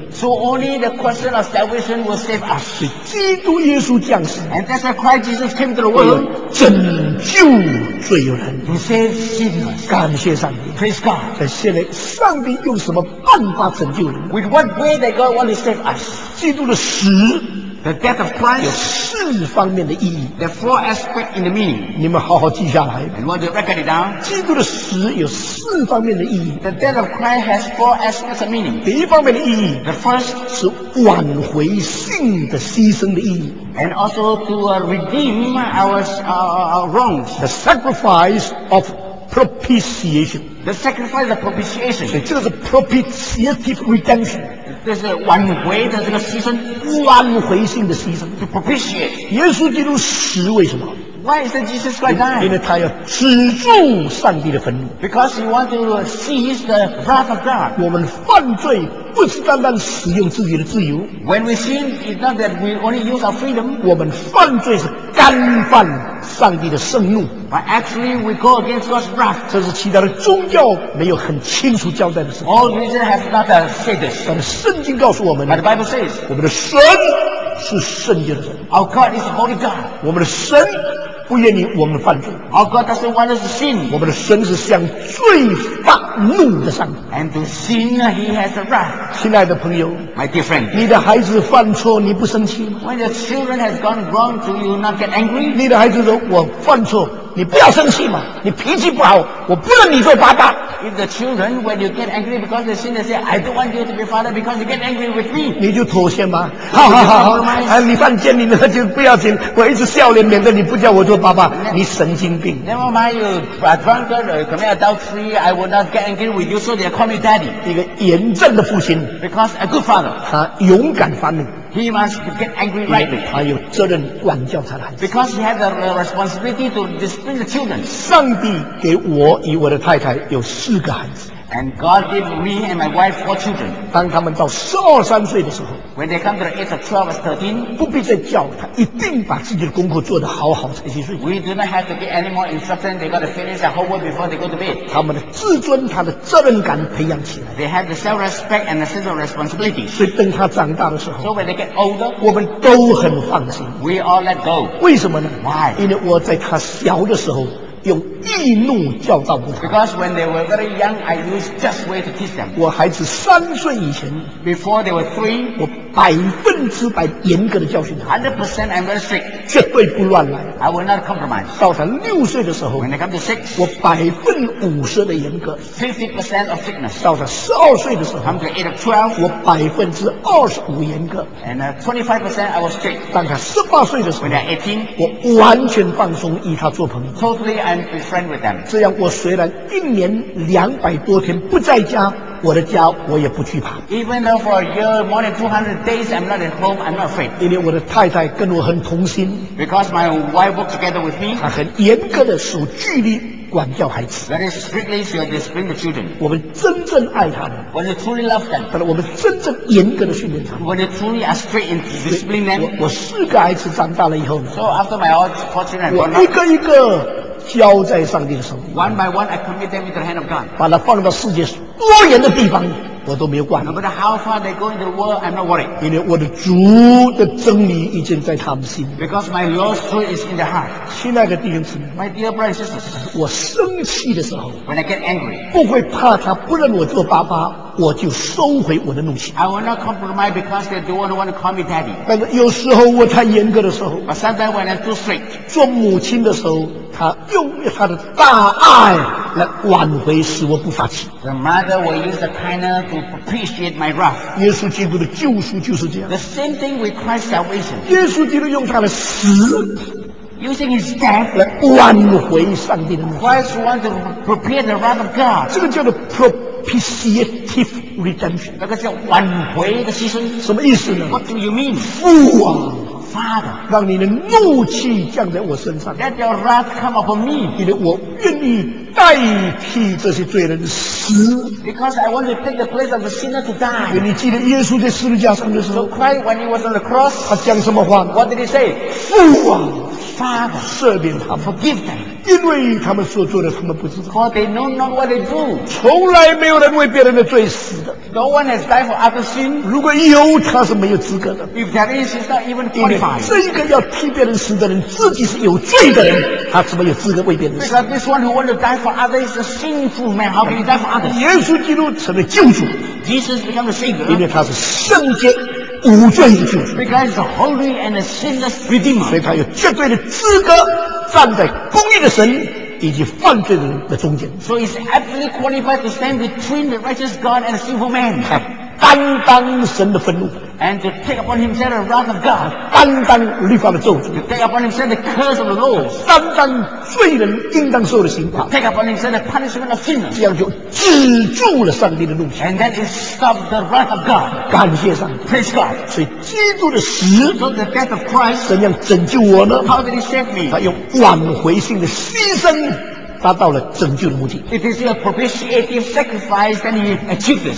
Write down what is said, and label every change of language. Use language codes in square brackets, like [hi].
[en] So only the question of salvation will save us [zh] 是基督耶稣降世 [en] And that's why Christ Jesus came to the world [zh] 拯救罪人 [en] To save sinners [zh] 感谢上帝 [en] Praise God [zh] 在现在上帝用什么办法拯救人 [en] With what way that God want to save us [zh] 基督的死 [en] The death of Christ [zh] 有四方面的意义 [en] The four aspects in the meaning [zh] 你们好好记下来 [en] And want to record it down [zh] 基督的死有四方面的意义 [en] The death of Christ has four aspects of meaning [zh] 第一方面的意义 [en] The first [zh] 是挽回性的牺牲的意义 [en] And also to redeem our wrongs The sacrifice of propitiation The sacrifice of propitiation. [zh] 所以这个是 [en] propitiative redemption. [zh] 这是挽回的这个牺牲，挽回性的牺牲。 [en] To propitiate. [zh] 耶稣基督死为什么？ [en] Why is that Jesus Christ dying? [zh] 因为他要止住上帝的愤怒。 [en] Because he want to seize the wrath of God. [zh] 我们犯罪不是单单使用自己的自由。 [en] When we sin, it's not that we only use our freedom. [zh] 我们犯罪是干犯上帝的圣怒。 [en] But actually, we go against God's wrath. [zh] 这是其他的宗教没有很清楚交代的事。 [en] All religion has not said this. [zh] 但圣经告诉我们。 [en] But the Bible says. [zh] 我们的神是圣洁的神。 [en] Our God is a holy God. [zh] 我们的神不愿意我们犯罪。 [en] Our God doesn't want us to sin. [zh] 我们的神是向罪发怒的上帝。 [en] And to sin, he has a wrath. [zh] 亲爱的朋友， [en] My dear friend, [zh] 你的孩子犯错，你不生气吗？ [en] When your children has gone wrong, do you not get angry? [zh] 你的孩子说，我犯错，你不要生气嘛，你脾气不好，我不能你做爸爸。 [en] If the children, when you get angry because they sin, they say, I don't want you to be father because you get angry with me. [zh] 你就妥协吗？好，你犯贱，你那就不要紧，我一直笑脸，免得你不叫我做爸爸。你神经病。 [en] Never mind, you drunk or commit adultery, I will not get angry with you, so they call me daddy. [zh] 一个严正的父亲。 [en] Because a good father. [zh] 他勇敢发怒。 [en] He must get angry rightly. [zh] 他有责任管教他的孩子。 [en] Because he has the responsibility to discipline the children. [zh] 上帝给我与我的太太有四个孩子。 [en] And God gave me and my wife four children. [zh] 当他们到12、13岁的时候。 [en] When they come to the age of 12 or 13, [zh] 不必再叫他，一定把自己的功课做得好好才去睡。 [en] We do not have to get any more instructions. They got to finish their homework before they go to bed. [zh] 他们的自尊，他的责任感培养起来。 [en] They have the self-respect and the sense of responsibility. [zh] 所以等他长大的时候。 [en] So when they get older, [zh] 我们都很放心。 [en] We all let go. [zh] 为什么呢？ [en] Why? [zh] 因为我在他小的时候。用易怒教导过他。 [en] Because when they were very young, I used just way to teach them. [zh] 我孩子3岁以前 [en] ，before they were three， [zh] 我100%严格的教训他。 [en] 100% I'm very strict， [zh] 绝对不乱来。 [en] I will not compromise。 [zh] 到他6岁的时候 [en] ，when they come to six， [zh] 我50%的严格 [en] ，50% of strictness。 [zh] 到他12岁的时候 [en] ，come to age of 12， [zh] 我25%严格 [en] ，and 25% I was strict。 [zh] 到他18岁的时候 [en] ，when they're 18， [zh] 我完全放松，与他做朋友 [en] ，totally。 And be friend with them. [zh] 这样我虽然一年200多天不在家，我的家我也不惧怕。 [en] Even though for a year more than 200 days I'm not at home, I'm not afraid. [zh] 因为我的太太跟我很同心。 [en] Because my wife works together with me. [zh] 她很严格的守纪律。管教孩子。 [en] That is strictly to discipline the children. [zh] 我们真正爱他们。 [en] When you truly love them. [zh] 但是我们真正严格的训练他们。 [en] When you truly are strict in discipline them. [zh] 我四个孩子长大了以后。 [en] So after my all four children, [zh] 我一个一个交在上帝的手里。 [en] One by one, I commit them into the hand of God. [zh] 把它放到世界多远的地方，我都没有管。 [en] No matter how far they go into the world, I'm not worried. [zh] 因为我的主的真理已经在他们心。 [en] Because my Lord's truth is in their heart. [zh] 亲爱的弟兄姊妹。 [en] My dear brothers and sisters. [zh] 我生气的时候。 [en] When I get angry. [zh] 不会怕他不认我做爸爸，我就收回我的怒气。 [en] I will not compromise because they don't want to call me daddy. [zh] 但是有时候我太严格的时候。 [en] But sometimes when I'm too strict. [zh] 做母亲的时候，他用他的大爱来挽回，使我不发气。 [en] The mother will use the kindness to appreciate my wrath. [zh] 耶稣基督的救赎就是这样。 [en] The same thing with Christ's salvation. [zh] 耶稣基督用他的死。 [en] Using his death, [zh] 来挽回上帝的怒气。 [en] Christ wants to prepare the wrath of God. [zh] 这个叫做 [en] propitiative redemption. [zh] 那个叫挽回的牺牲。什么意思呢？ [en] What do you mean? [zh] 父啊。 [en] Father, [zh] 让你的怒气降在我身上。 [en] Let your wrath come upon me. [zh] 因为我愿意代替这些罪人死。 [en] Because I want to take the place of the sinner to die. [zh] 因为你记得耶稣在十字架上的时候。 [en] So Christ, when he was on the cross, [zh] 他讲什么话呢？ [en] What did he say? [zh] 父啊 [en] ，Father, [zh] 赦免他们 [en] ，Forgive them. [zh] 因为他们所做的，他们不知道。 [en] For they know not what they do. [zh] 从来没有人为别人的罪死的。 [en] No one has died for other sin. [zh] 如果有，他是没有资格的。 [en] If there is, he's not even qualified. [zh] 这一个要替别人死的人，自己是有罪的人，他怎么有资格为别人死？ [en] Because this one who wants to die for others is a sinful man. How can he die for others? [zh] 耶稣基督成了救主。 [en] Jesus became the Savior. [zh] 因为他是圣洁无罪的救主。 [en] Because he's a holy and a sinless redeemer. [zh] 所以他有绝对的资格站在公义的神。以及犯罪人的中间。 [en] So he's absolutely qualified to stand between the righteous God and the sinful man. [zh] 他担当神的愤怒。 [en] And to take upon himself the wrath of God. [zh] 担当律法的咒诅。 [en] To take upon himself the curse of the law. [zh] 担当罪人应当受的刑罚。 [en] Take upon himself the punishment of sinners. [zh] 这样就止住了上帝的怒气。 [en] And that is stopped the wrath of God. [zh] 感谢上帝。 [en] Praise God. [zh] 所以基督的死。 [en] So the death of Christ. [zh] 怎样拯救我呢？ [en] How did he save me? [zh] 他用挽回性的牺牲。达到了拯救的目的。 [en] It is a propitiative sacrifice, then he achieved it.